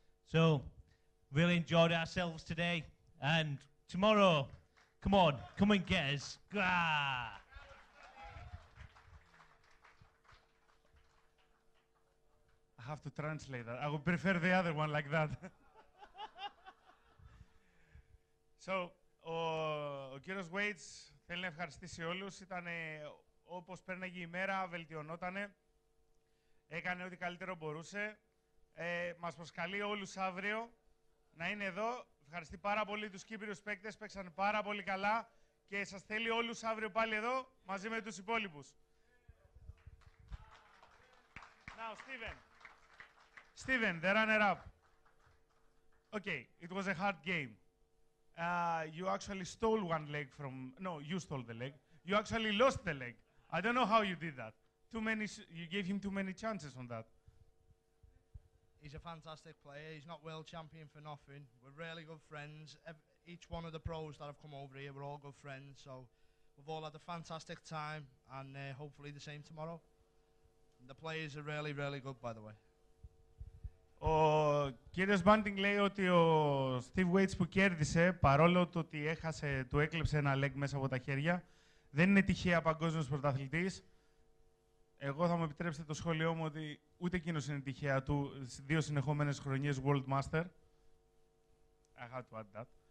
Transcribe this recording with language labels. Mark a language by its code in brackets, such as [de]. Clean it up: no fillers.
[en] So, really enjoyed ourselves today. And tomorrow, come on, come and get us. Gah. I have to translate that. I would prefer the other one like that. [el] So, ο κύριος Waits θέλει να ευχαριστήσει όλους. Ήταν όπως πέρναγε η μέρα, βελτιωνότανε. Έκανε ό,τι καλύτερο μπορούσε. Μας προσκαλεί όλους αύριο να είναι εδώ. Ευχαριστεί πάρα πολύ τους Κύπριους παίκτες, παίξαν πάρα πολύ καλά και σας θέλει όλους αύριο πάλι εδώ μαζί με τους υπόλοιπους. [en] Now, Steven. Steven, the runner-up. Okay, it was a hard game. You actually stole one leg from... No, you stole the leg. You actually lost the leg. I don't know how you did that. You gave him too many chances on that. He's a fantastic player. He's not world champion for nothing. We're really good friends. Each one of the pros that have come over here, we're all good friends. So we've all had a fantastic time, and hopefully the same tomorrow. The players are really, really good, by the way. [el] Ο κύριος Μπάντινγκ λέει ότι ο Steve Waits που κέρδισε, παρόλο το ότι έχασε, του έκλεψε ένα leg μέσα από τα χέρια, δεν είναι τυχαία παγκόσμιος πρωταθλητής. Εγώ θα μου επιτρέψετε το σχόλιο μου ότι ούτε εκείνος είναι τυχαία του, δύο συνεχόμενες χρονιές World Master. [en] I had to add that.